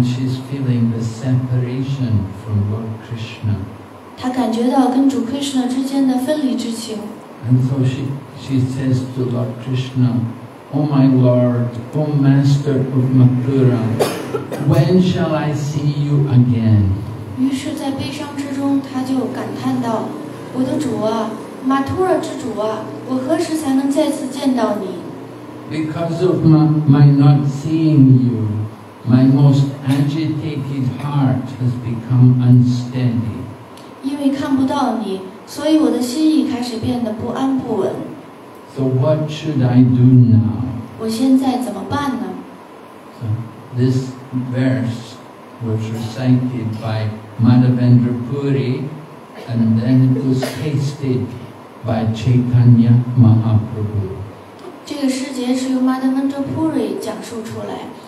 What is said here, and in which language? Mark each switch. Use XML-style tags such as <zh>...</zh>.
<en>And she's feeling the separation from Lord Krishna.</en> <zh>他感觉到跟主 Krishna 之间的分离之情。</zh> <en>And so she says to Lord Krishna, O my Lord, O Master of Mathura, when shall I see you again?</en> <zh>于是在悲伤之中，他就感叹道，我的主啊，马图拉之主啊，我何时才能再次见到你？</zh> <en>Because of my not seeing you, my most agitated heart has become unsteady.</en> <zh>因为看不到你，所以我的心意开始变得不安不稳。</zh> <en>So what should I do now?</en> <zh>我现在怎么办呢？</zh> <en>So this verse was recited by Madhavendra Puri, and then it was tasted by Chaitanya Mahaprabhu.</en> <zh>这个诗节是由 Madhavendra Puri 讲述出来。</zh>